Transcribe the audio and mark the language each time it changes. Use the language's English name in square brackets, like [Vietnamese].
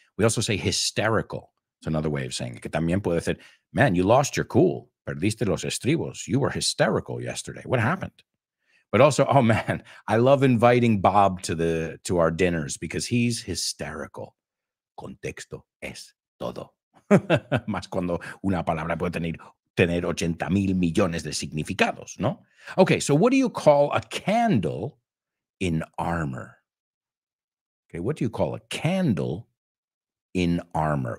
[English] We also say hysterical. It's another way of saying it. [Spanish] Que también puede decir, [English] man, you lost your cool. [Spanish] Perdiste los estribos. [English] You were hysterical yesterday. What happened? But also, oh man, I love inviting Bob to our dinners because he's hysterical. [Spanish] Contexto es todo. Más cuando una palabra puede tener 80 mil millones de significados, ¿no? [English] Okay, so what do you call a candle in armor? Okay, what do you call a candle in armor?